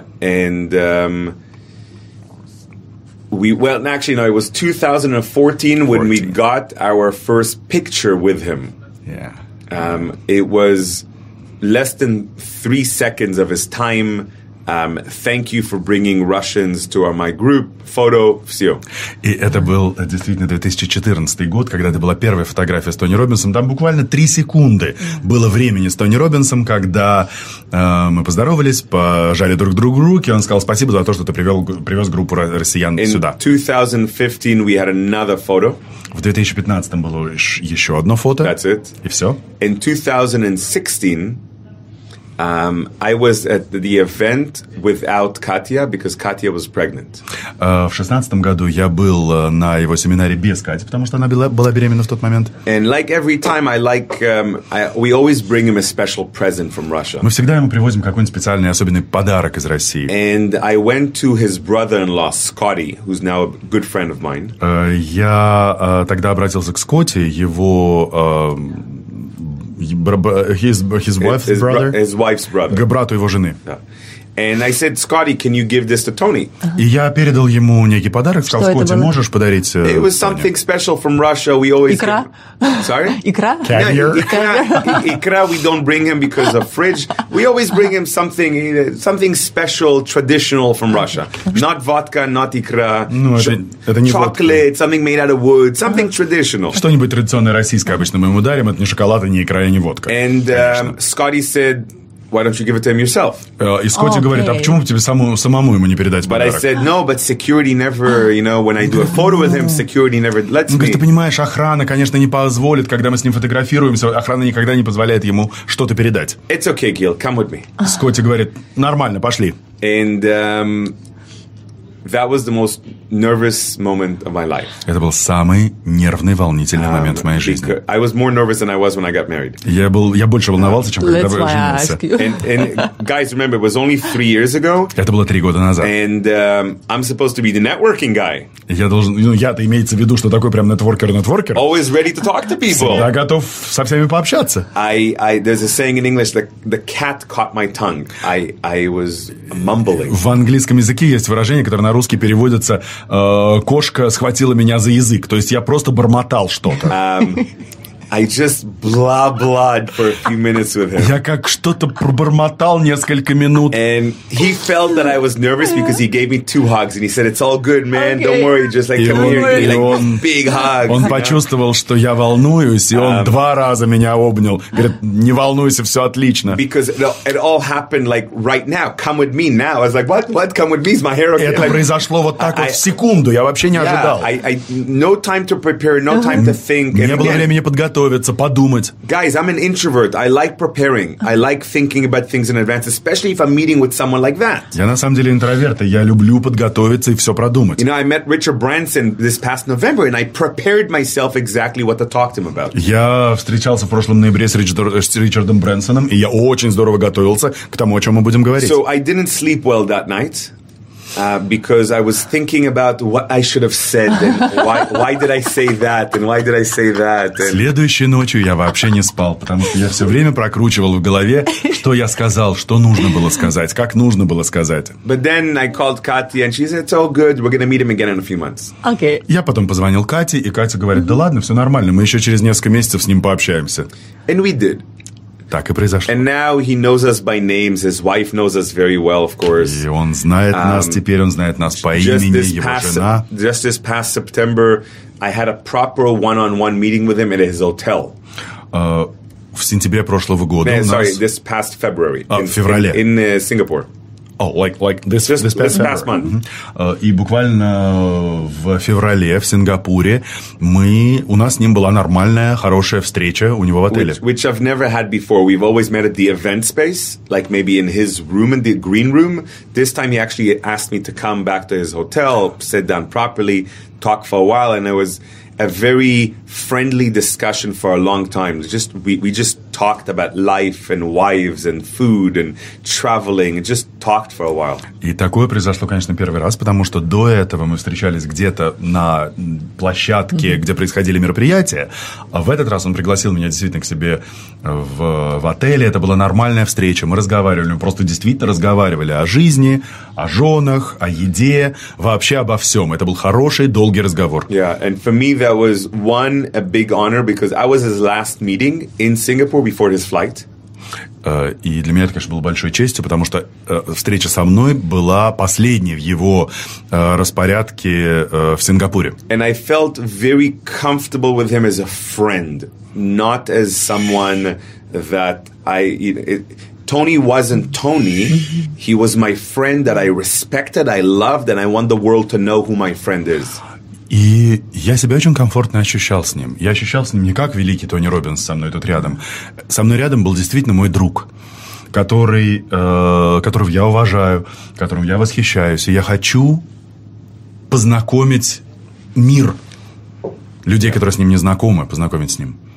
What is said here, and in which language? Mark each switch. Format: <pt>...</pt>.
<en>It was 2014 when we got our first picture with him. Yeah. It was less than 3 seconds of his time. Thank you for bringing Russians to my group.</en> <ru>Photo, все. И это был действительно 2014 год, когда это была первая фотография с Тони Робинсом. Там буквально 3 секунды было времени с Тони Робинсом, когда мы поздоровались, пожали друг другу руки, он сказал спасибо за то, что ты привез группу россиян</ru> <en>In</en> <ru>сюда.</ru> <en>2015 we had another photo.</en> <ru>В 2015 было еще одно фото.</ru> <en>That's it.</en> <ru>И все.</ru> <en>In 2016... I was at the event without Katya because Katya was pregnant.</en> <ru>В 16-м году я был на его семинаре без Кати, потому что она была беременна в тот момент.</ru> <en>And like every time, we always bring him a special present from Russia.</en> <ru>Мы всегда ему привозим какой-нибудь специальный особенный подарок из России.</ru> <en>And I went to his brother-in-law Scotty, who's now a good friend of mine.</en> <ru>Я тогда обратился к Скотти, его</ru> <en>His wife's brother.</en> <ru>Брату его жены.</ru> <en>Yeah. And I said, Scotty, can you give this to Tony?</en> <ru>И я передал ему некий подарок, сказал, Скотти, можешь подарить Тони?</ru> <en>It was something special from Russia. We always</en> <ru>икра.</ru> <en>Sorry?</en> <ru>Икра?</ru> <en>Caviar? Икра, we don't bring him because of fridge. We always bring him something special, traditional from Russia. Not vodka, not икра.</en> <ru>Ну, это не</ru> <en>водка. Chocolate, something made out of wood, something traditional.</en> <ru>Что-нибудь традиционное российское обычно мы ему дарим. Это не шоколад, не икра, не водка.</ru> <en>And Scotty said... Why don't you give it to him yourself?</en> <ru>И Скотти говорит, а почему бы тебе самому ему не передать подарок?</ru> <en>But I said, no, but security never, you know, when I do a photo with him, security never lets me.</en> <ru>Говорит, ты понимаешь, охрана, конечно, не позволит, когда мы с ним фотографируемся, охрана никогда не позволяет ему что-то передать.</ru> <en>It's okay, Gil, come with me.</en> <ru>Скотти говорит, нормально, пошли.</ru> <en>And that was the most nervous moment of my life.</en> <ru>Это был самый нервный, волнительный момент в моей жизни.</ru> <en>I was more nervous than I was when I got married.</en> <ru>Я больше волновался, чем когда женился.</ru> <en>Let's ask you. And guys, remember, it was only 3 years ago.</en> <ru>Это было 3 года назад.</ru> <en>And I'm supposed to be the networking guy.</en> <ru>Я-то имеется в виду, что такой прям нетворкер.</ru> <en>Always ready to talk to people.</en> <ru>Всегда готов со всеми пообщаться.</ru> <en>I there's a saying in English that the cat caught my tongue. I was mumbling.</en> <ru>В английском языке есть выражение, которое на русский переводится «кошка схватила меня за язык». То есть я просто бормотал что-то.</ru> <en>I just blah-blahed for a few minutes with him.</en> <ru>Я как что-то пробормотал несколько минут.</ru> <en>And he felt that I was nervous because he gave me 2 hugs. And he said, it's all good, man. Okay. Don't worry. Just like, come here. And like, big hugs.</en> <ru>Он почувствовал, что я волнуюсь, и он 2 раза меня обнял. Говорит, не волнуйся, все отлично.</ru> <en>Because it all happened like right now. Come with me now. I was like, what? Come with me. Is my hair okay?</en> <ru>Это произошло вот так вот в секунду. Я вообще не ожидал.</ru> <en>No time to prepare, no time to think.</en> <ru>Не было времени подготовиться, подумать.</ru> <en>Guys, I'm an introvert. I like preparing. I like thinking about things in advance, especially if I'm meeting with someone like that.</en> <ru>Я на самом деле интроверт, и я люблю подготовиться и все продумать.</ru> <en>You know, I met Richard Branson this past November, and I prepared myself exactly what to talk to him about.</en> <ru>Я встречался в прошлом ноябре с Ричардом Брэнсоном, и я очень здорово готовился к тому, о чем мы будем говорить.</ru> <en>So I didn't sleep well that night. Because I was thinking about what I should have said, and why did I say that, and why did I say that. And...</en> <ru>Следующей ночью я вообще не спал, потому что я все время прокручивал в голове, что я сказал, что нужно было сказать, как нужно было сказать.</ru> <en>But then I called Katya, and she said, it's all good, we're going to meet him again in a few months. Okay.</en> <ru>Я потом позвонил Кате, и Катя говорит, да ладно, все нормально, мы еще через несколько месяцев с ним пообщаемся.</ru> <en>And we did.</en> <ru>Так и произошло.</ru> <en>And now he knows us by names. His wife knows us very well, of course.</en> <ru>И он знает нас теперь, он знает нас по имени, его жена.</ru> <en>Just this past September, I had a proper one-on-one meeting with him at his hotel.</en> <ru>В сентябре прошлого года</ru> <en>This past February.</en> <ru>В феврале.</ru> <en>In Singapore. Oh, like this past this past month.</en> <ru>И буквально в феврале в Сингапуре у нас с ним была нормальная, хорошая встреча у него в отеле.</ru> <en>Which I've never had before. We've always met at the event space, like maybe in his room, in the green room. This time he actually asked me to come back to his hotel, sit down properly, talk for a while, and it was a very friendly discussion for a long time. Just we just talked about life and wives and food and traveling. Just talked for a while.</en> <ru>И такое произошло, конечно, первый раз, потому что до этого мы встречались где-то на площадке, где происходили мероприятия. А в этот раз он пригласил меня действительно к себе в отеле. Это была нормальная встреча. Мы разговаривали, мы просто действительно разговаривали о жизни, о женах, о еде, вообще обо всем. Это был хороший, долгий разговор.</ru> <en>Yeah, and for me that was one a big honor because I was his last meeting in Singapore before his flight.</en> <ru>И для меня это, конечно, было большой честью, потому что встреча со мной была последней в его распорядке в Сингапуре.</ru> <en>And I felt very comfortable with him as a friend, not as someone that I... Tony wasn't Tony. He was my friend that I respected, I loved, and I want the world to know who my friend is.</en> <ru>И я себя очень комфортно ощущал с ним. Я ощущал с ним не как великий Тони Робинс со мной тут рядом. Со мной рядом был действительно мой друг, которого я уважаю, которым я восхищаюсь, и я хочу познакомить мир людей, которые с ним не знакомы, познакомить с ним.</ru>